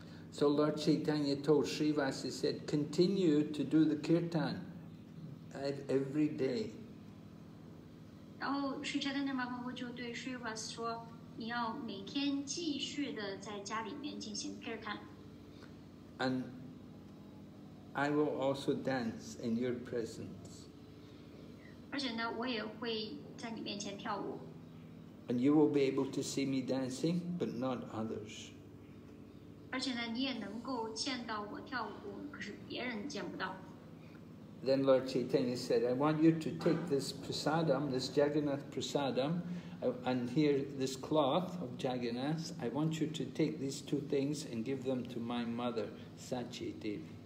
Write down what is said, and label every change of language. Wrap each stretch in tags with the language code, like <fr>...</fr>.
<en>So Lord Chaitanya told Srivas, he said, continue to do the kirtan every day.</en> <zh>然后 Sri Chaitanya Mahaprabhu 就对 Srivas 说，你要每天继续的在家里面进行 kirtan。</zh> <en>And I will also dance in your presence.</en> <zh>而且呢，我也会在你面前跳舞。</zh> <en>And you will be able to see me dancing, but not others.</en> <zh>而且呢，你也能够见到我跳舞，可是别人见不到。</zh> <en>Then Lord Chaitanya said, I want you to take this prasadam, this Jagannath prasadam, and here this cloth of Jagannath, I want you to take these two things and give them to my mother, Sachi Devi.</en>